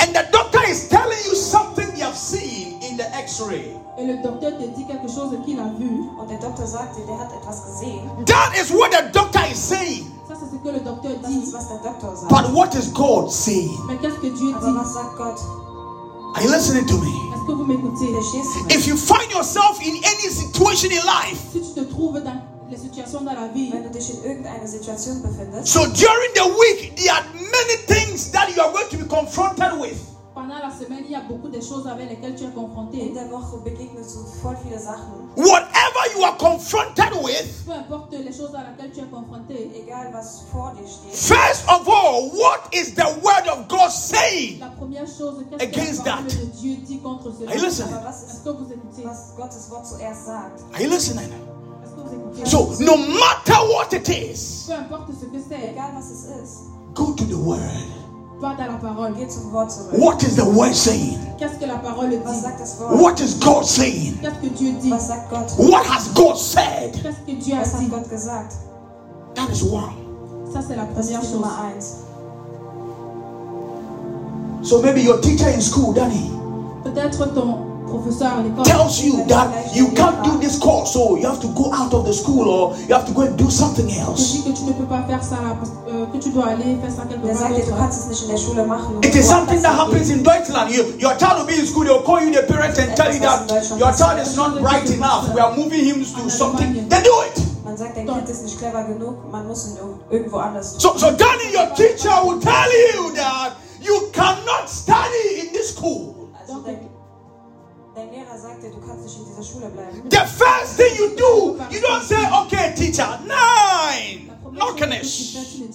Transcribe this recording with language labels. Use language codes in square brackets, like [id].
[en] and the doctor is telling you something you have seen in the X-ray, [fr] et le docteur te dit quelque chose qu'il a vu, [de] und der Doktor sagt dir, der hat etwas gesehen, [en] that is what the doctor is saying. [fr] Ça c'est ce que le docteur dit. [de] Das ist, was der Doktor sagt. [en] But what is God saying? [fr] Mais qu'est-ce que Dieu dit? [de] Aber was sagt Gott? [en] Are you listening to me? [fr] Est-ce que vous m'écoutez? [en] If you find yourself in any situation in life, [fr] si tu te trouves dans les situations dans la vie, [de] wenn du dich in irgendeiner Situation befindest, [en] so during the week there are many things that you are going to be confronted with. [fr] Pendant la semaine, il y a beaucoup de choses avec lesquelles tu es confronté. [de] In der Woche begegnest du voll viele Sachen. [en] Whatever you are confronted with, [fr] peu importe les choses à laquelle tu es confronté, [de] egal was vor dir steht. [en] First of all, what is the word of God saying? [fr] La première chose, qu'est-ce [en] against [fr] que la parole that? De Dieu dit contre cela? [en] Are you listening? [fr] Est-ce que vous écoutez? [de] Was Gottes Wort zuerst sagt? [en] Are you listening? So, no matter what it is, [fr] peu importe ce que c'est, [de] egal was es ist, [en] go to the word. [fr] pas dans la parole. [en] What is the word saying? [fr] Qu'est-ce que la parole dit? [en] What is God saying? [fr] Qu'est-ce que Dieu dit? [en] What has God said? [fr] Qu'est-ce que Dieu a dit? [de] Hat gesagt? [en] That is one. [fr] Ça, c'est la première chose. [de] Nummer eins. [en] So maybe your teacher in school, Danny, [fr] peut-être ton professeur à l'école [en] tells you that you can't do this course, so you have to go out of the school or you have to go and do something else. [fr] Que tu ne peux pas faire ça, que tu dois aller faire ça quelque part. Que tu [de] kannst es nicht in der Schule machen. [en] It is something that happens in Deutschland. Your child will be in school, they will call you the parents and tell you that your child is not bright enough. We are moving him to something. They do it. [de] Man sagt, dein Kind ist nicht clever genug. Man muss ihn irgendwo anders. [en] So Danny, your teacher will tell you that you cannot study in this school. [de] Dein Lehrer sagt dir, du kannst nicht in dieser Schule bleiben. [en] The first thing you do, you don't say, okay, teacher, nein, nokenish.